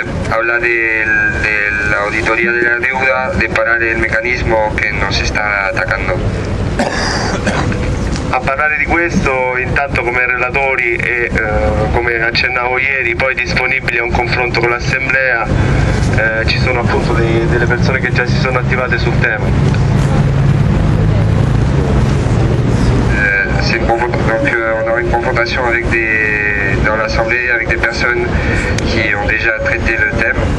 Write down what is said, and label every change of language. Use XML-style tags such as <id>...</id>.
<es>Habla de la auditoría de la deuda, de parar el mecanismo que nos está atacando.</es> <it>A parlare di questo, intanto come relatori e come accennavo ieri, poi disponibili a un confronto con l'Assemblea, ci sono appunto delle persone che già si sono attivate sul tema.</it> <fr>Donc on aura une confrontation avec dans l'Assemblée avec des personnes qui ont déjà traité le thème.</fr>